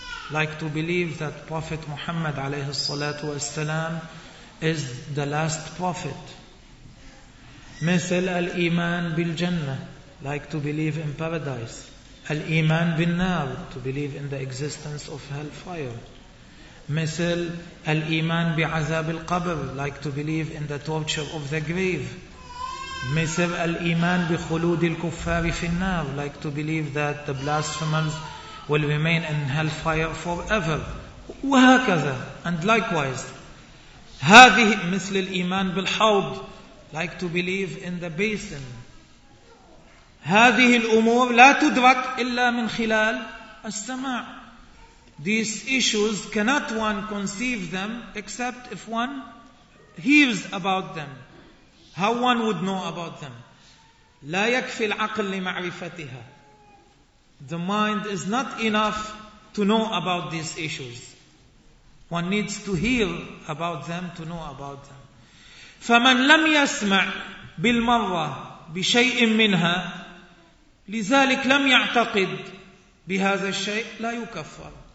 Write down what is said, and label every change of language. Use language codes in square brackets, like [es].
[en] Like to believe that Prophet Muhammad [ar] عليه الصلاة والسلام [en] is the last prophet. [ar] مثل الإيمان بالجنة, [en] like to believe in paradise. [ar] الإيمان بالنار, [en] to believe in the existence of hellfire. [ar] مثل الإيمان بعذاب القبر, [en] like to believe in the torture of the grave. [ar] مثل الإيمان بخلود الكفار في النار, [en] like to believe that the blasphemers will remain in hellfire forever. [ar] وهكذا. [en] And likewise, [ar] هذه مثل الإيمان بالحوض, [en] like to believe in the basin. [ar] هذه الأمور لا تدرك إلا من خلال السماع. [en] These issues cannot one conceive them except if one hears about them. How one would know about them? [ar] لا يكفي العقل لمعرفتها. [en] The mind is not enough to know about these issues. One needs to hear about them to know about them. [ar] فمن لم يسمع بالمرة بشيء منها لذلك لم يعتقد بهذا الشيء لا يكفر.